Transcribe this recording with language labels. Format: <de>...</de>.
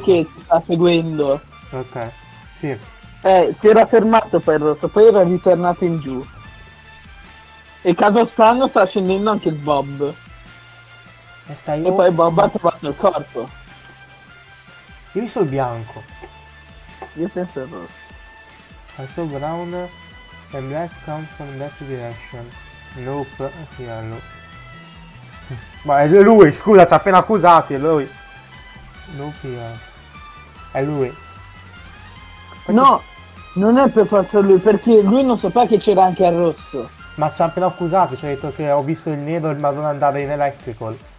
<it>che sta seguendo, Ok. Sì. si era fermato poi il rosso, poi era ritornato in giù e caso strano sta scendendo anche il Bob e E sai, poi Bob ha trovato il corpo. io sono bianco. Io penso al rosso.</it> <en>I saw brown and black come from that direction. Nope, yellow.</en> <it>Ma è lui, scusa, ci ha appena accusati, è lui.</it> <en>Nope, yellow.</en> <it>È lui. Infatti. No, non è per forza lui, perché lui non sapeva che c'era anche il rosso. Ma ci ha appena accusati, ci ha detto che ho visto il nero e il marrone andare in electrical.</it>